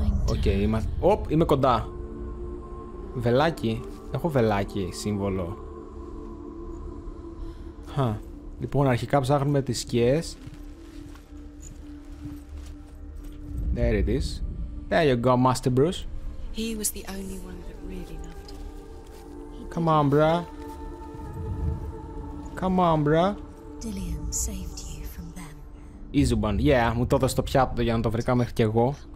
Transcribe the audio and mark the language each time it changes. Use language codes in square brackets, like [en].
[el] Okay, είμαι κοντά. Βελάκι, έχω βελάκι σύμβολο. Λοιπόν, αρχικά ψάχνουμε τις σκιές. [en] There it is. There you go, Master Bruce. He was the only one that really loved him. Come on, bruh. Come on, bruh. Dillian saved you from them. Easy one. [el] Yeah, μου το έδωσε το πιάτο για να το βρήκα μέχρι και εγώ.